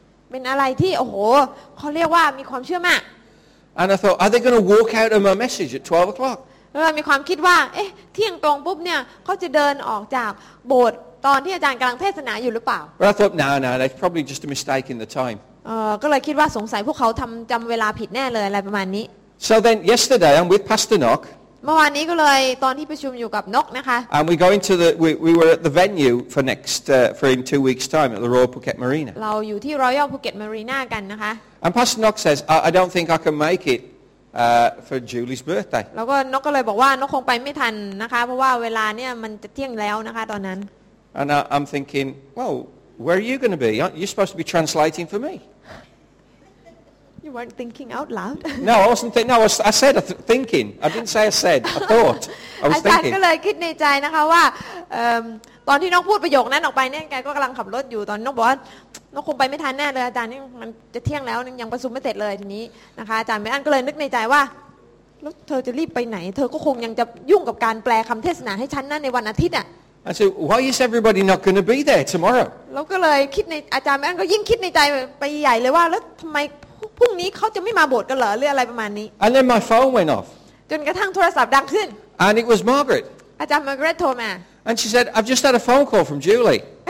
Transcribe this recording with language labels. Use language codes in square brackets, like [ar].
[th] เป็นอะไรที่โอ้โหเขาเรียกว่ามีความเชื่อมาก [en] and I thought are they going to walk out of my message at 12 o'clock [th] เออมีความคิดว่าเอ๊ะเที่ยงตรงปุ๊บเนี่ยเขาจะเดินออกจากโบสถ์ตอนที่อาจารย์กำลังเทศนาอยู่หรือเปล่า [en] but I thought no that's probably just a mistake in the time [th] ก็เลยคิดว่าสงสัยพวกเขาทำจำเวลาผิดแน่เลยอะไรประมาณนี้ [en] So then yesterday I'm with Pastor Nock [th] เมื่อวานนี้ก็เลยตอนที่ประชุมอยู่กับนกนะคะ [en] And we go into the we were at the venue for next for in 2 weeks time at the Royal Phuket Marina [th] เราอยู่ที่ Royal Phuket Marina กันนะคะ [en] And Pastor Nock says I don't think I can make it for Julie's birthday. [th] แล้วก็นกก็เลยบอกว่านกคงไปไม่ทันนะคะเพราะว่าเวลาเนี่ยมันจะเที่ยงแล้วนะคะตอนนั้น [en] And I'm thinking, well, where are you going to be? You're supposed to be translating for me. You weren't thinking out loud. No, I wasn't thinking. No, I said thinking. I didn't say I said. I thought. I was thinking. [th] อาจารย์ก็เลยคิดในใจนะคะว่าตอนที่นกพูดประโยคนั้นออกไปเนี่ยแกก็กำลังขับรถอยู่ตอนนกบอกว่านกคงไปไม่ทันแน่เลยอาจารย์นี่มันจะเที่ยงแล้วยังประชุมไม่เสร็จเลยทีนี้นะคะอาจารย์แม่อันก็เลยนึกในใจว่าแล้วเธอจะรีบไปไหนเธอก็คงยังจะยุ่งกับการแปลคำเทศนาให้ฉันนั่นในวันอาทิตย์อ่ะ [en] I said why is everybody not going to be there tomorrow [th] แล้วก็เลยคิดในอาจารย์แม่อันก็ยิ่งคิดในใจไปใหญ่เลยว่าแล้วทำไมพรุ่งนี้เขาจะไม่มาโบสถ์กันเหรอหรืออะไรประมาณนี้ [en] And then my phone went off [th] จนกระทั่งโทรศัพท์ดังขึ้น [en] And it was Margaret [th] อาจารย์มาร์กาเร็ตโทรมา [en] And she said, I've just had a phone call from Julie.